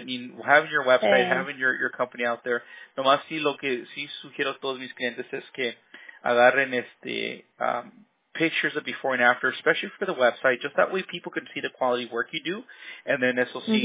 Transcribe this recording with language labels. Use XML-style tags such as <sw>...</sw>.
<en>I mean, having your website, having your company out there.</en> <es>Nomás sí lo que sí sugiero a todos mis clientes es que agarren este...</es> <en>pictures of before and after, especially for the website, just that way people can see the quality work you do, and then</en> <es>eso sí,</es>